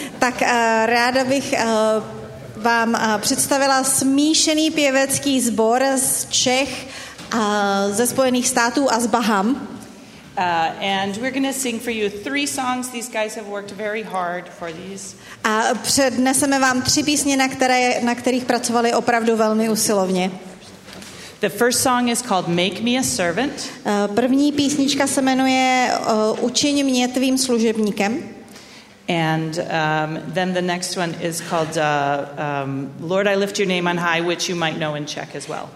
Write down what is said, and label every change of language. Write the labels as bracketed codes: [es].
[cs] Tak ráda bych vám představila smíšený pěvecký sbor z Čech, ze Spojených států a z Bahám. [en] And we're going to sing for you three songs. These guys have worked very hard for these. [cs] A předneseme vám tři písně, na kterých pracovali opravdu velmi usilovně. [en] The first song is called Make Me a Servant. [cs] První písnička se jmenuje Učiň mě tvým služebníkem. [en] And then the next one is called Lord, I Lift Your Name on High, which you might know in Czech as well.